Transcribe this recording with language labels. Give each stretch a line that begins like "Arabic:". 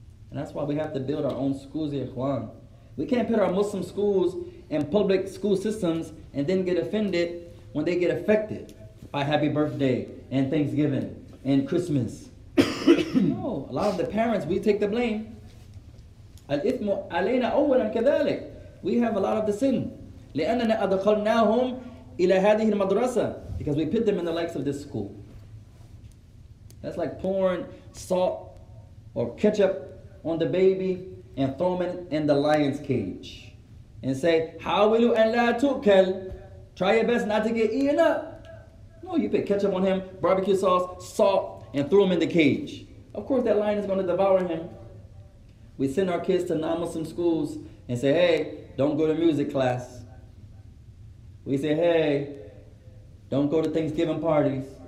English: And that's why we have to build our own schools here, Juan. We can't put our Muslim schools in public school systems and then get offended when they get affected by happy birthday and Thanksgiving and Christmas. No, a lot of the parents, we take the blame.
Arabic: Al-ithmu alayna awwalan kadhalik.
English: We have a lot of the sin.
Arabic: لأننا أدخلناهم إلى هذه المدرسة.
English: Because we put them in the likes of this school. That's like pouring salt or ketchup on the baby and throw them in the lion's cage. And say,
Arabic: حاولوا أن لا تؤكل.
English: Try your best not to get eaten up. No, you put ketchup on him, barbecue sauce, salt, and threw him in the cage. Of course, that lion is going to devour him. We send our kids to non-Muslim schools and say, hey, don't go to music class. We say, hey, don't go to Thanksgiving parties.